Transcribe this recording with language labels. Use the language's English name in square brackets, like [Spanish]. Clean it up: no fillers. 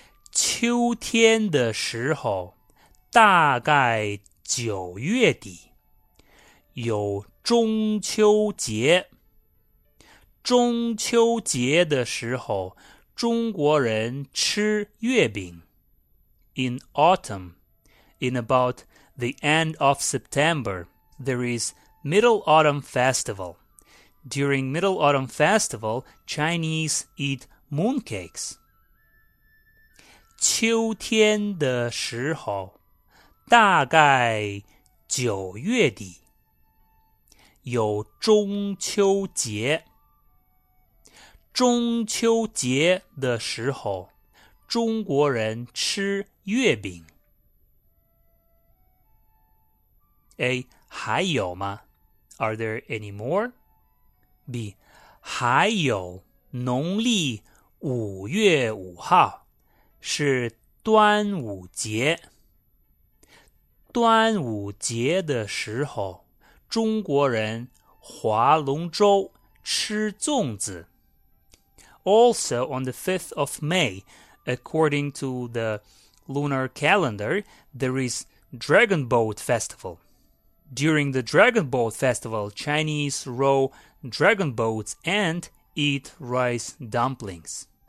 [Chinese] 秋天的时候，大概九月底，有中秋节。中秋节的时候，中国人吃月饼。 [English] In autumn, in about the end of September, there is Middle Autumn Festival. During Middle Autumn Festival, Chinese eat mooncakes. [Chinese] 秋天的时候，大概九月底，有中秋节。中秋节的时候，中国人吃月饼。 [English] A. [Chinese] 还有吗？ [English] Are there any more? [Chinese] B. 还有农历五月五号，是端午节。端午节的时候，中国人划龙舟，吃粽子。 [English] Also, on the 5th of May, according to the lunar calendar, there is Dragon Boat Festival. During the Dragon Boat Festival, Chinese row dragon boats and eat rice dumplings.